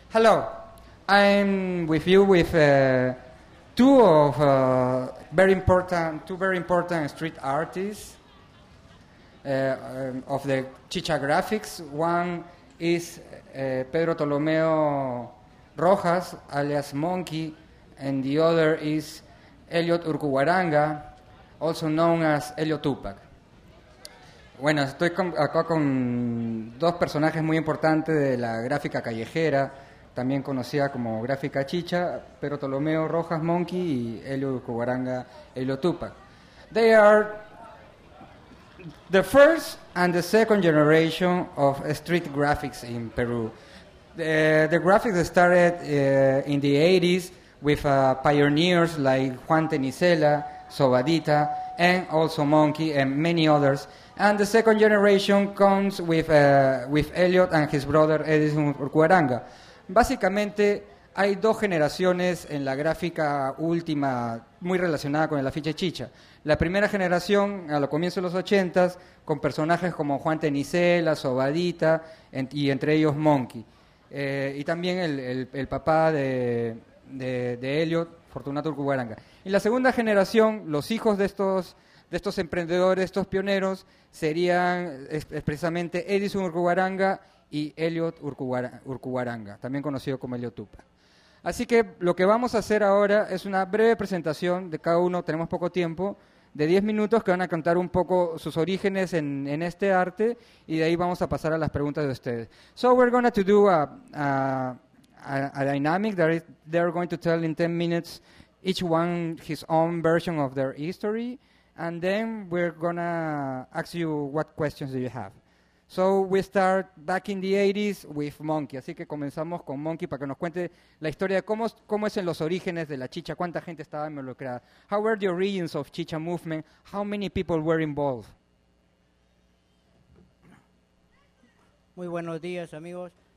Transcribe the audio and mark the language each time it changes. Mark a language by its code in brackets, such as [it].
[en] Hello, I'm with you with two very important street artists of the Chicha Graphics. One is Pedro Tolomeo Rojas, alias Monkey, and the other is Elliot Urcuaranga, also known as Elliot Tupac. [es] Bueno, estoy acá con dos personajes muy importantes de la gráfica callejera, también conocida como gráfica chicha, Pedro Tolomeo Rojas Monkey y Elio Cubaranga Elio Tupac. [en] They are the first and the second generation of street graphics in Peru. The graphics started in the 80s with pioneers like Juan Tenisella, Sobadita, and also Monkey and many others. And the second generation comes with Elliot and his brother Edison Urcuaranga. [es] Básicamente, hay dos generaciones en la gráfica última muy relacionada con el afiche chicha. La primera generación, a los comienzos de los 80s, con personajes como Juan Tenisella, Sobadita, y entre ellos Monkey. Y también el papá de Elliot, Fortunato Urcuaranga. Y la segunda generación, los hijos de estos emprendedores, estos pioneros, serían precisamente Edison Urcuaranga y Elliot Urcuaranga, también conocido como Elliot Tupac. Así que lo que vamos a hacer ahora es una breve presentación de cada uno, tenemos poco tiempo, de 10 minutos, que van a contar un poco sus orígenes en este arte, y de ahí vamos a pasar a las preguntas de ustedes. [en] So we're going to do a dynamic that they're going to tell in 10 minutes each one his own version of their history. And then we're gonna ask you what questions do you have. So we start back in the 80s with Monkey. [es] Así que comenzamos con Monkey para que nos cuente la historia de cómo es en los orígenes de la chicha, cuánta gente estaba involucrada. [en] How were the origins of chicha movement? How many people were involved? [es] Muy buenos días, amigos.